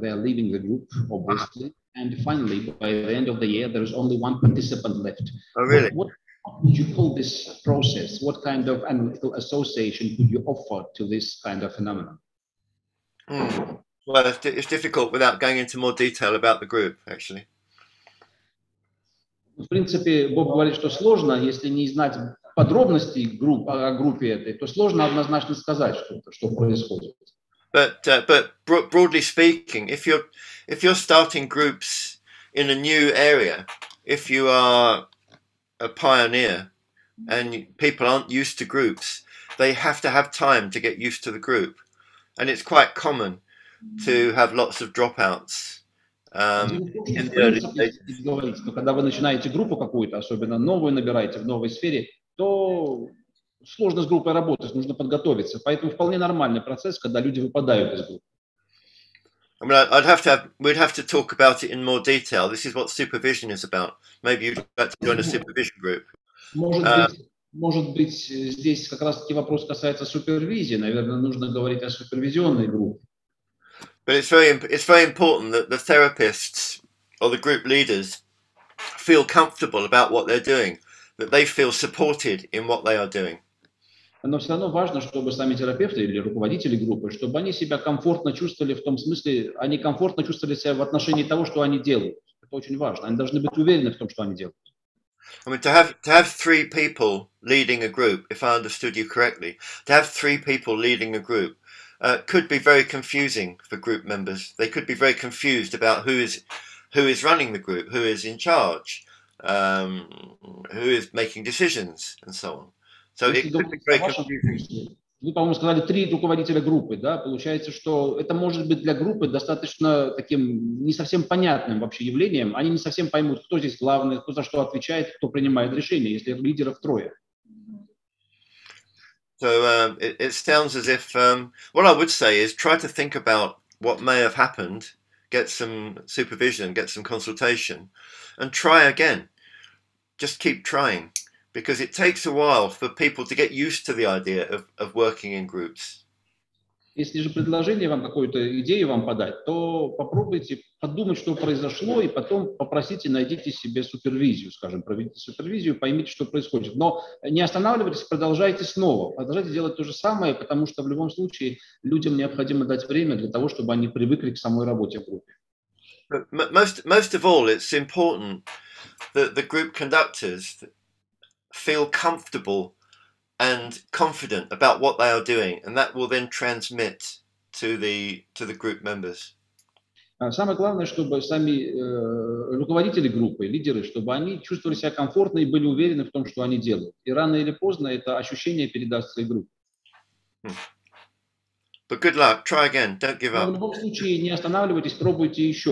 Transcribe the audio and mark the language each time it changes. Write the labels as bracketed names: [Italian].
[English] They are leaving the group, obviously. And finally, by the end of the year, there is only 1 participant left. Oh, really? What would you call this process? What kind of analytical association would you offer to this kind of phenomenon? Well, it's difficult without going into more detail about the group, actually. [Russian] В принципе, Боб говорит, что сложно, если не знать подробностей о группе этой, то сложно однозначно сказать что-то, что происходит. [English] But broadly speaking, if you're starting groups in a new area, if you are a pioneer and people aren't used to groups, they have to have time to get used to the group, and it's quite common to have lots of dropouts. [Russian] Когда вы начинаете группу какую-то, особенно новую набираете в новой сфере, то сложно с группой работать, нужно подготовиться. Поэтому вполне нормальный процесс, когда люди выпадают из группы. [English] I mean, we'd have to talk about it in more detail. This is what supervision is about. Maybe you'd like to join a supervision group. [Russian] Может быть, здесь как раз-таки вопрос касается супервизии. Наверное, нужно говорить о супервизионной группе. [English] But it's very important that the therapists or the group leaders feel comfortable about what they're doing, that they feel supported in what they are doing. [Russian] Но все равно важно, чтобы сами терапевты или руководители группы, чтобы они себя комфортно чувствовали в том смысле, они комфортно чувствовали себя в отношении того, что они делают. Это очень важно. Они должны быть уверены в том, что они делают. [English] I mean, to have 3 people leading a group, if I understood you correctly, to have 3 people leading a group, could be very confusing for group members. They could be very confused about who is running the group, who is in charge, who is making decisions, and so on. So it could be very confusing. [Russian] Вы, по-моему, сказали 3 руководителя группы, да? Получается, что это может быть для группы достаточно таким не совсем понятным вообще явлением. Они не совсем поймут, кто здесь главный, кто за что отвечает, кто принимает решения, если лидеров трое. [English] So it sounds as if what I would say is try to think about what may have happened, get some supervision, get some consultation, and try again. Just keep trying, because it takes a while for people to get used to the idea of working in groups. [Russian] Если же предложение вам какую-то идею вам подать, то попробуйте подумать, что произошло, и потом попросите, найдите себе супервизию, скажем, проведите супервизию, поймите, что происходит. Но не останавливайтесь, продолжайте снова. Продолжайте делать то же самое, потому что в любом случае людям необходимо дать время для того, чтобы они привыкли к самой работе в группе. [English] Most of all, it's important that the group conductors feel comfortable and confident about what they are doing, and that will then transmit to the group members. [Russian] Самое главное, чтобы сами руководители группы, лидеры, чтобы они чувствовали себя комфортно и были уверены в том, что они делают. И рано или поздно это ощущение передастся и группе. [English] But good luck. Try again. Don't give up. [Russian] В любом случае, не останавливайтесь, пробуйте еще.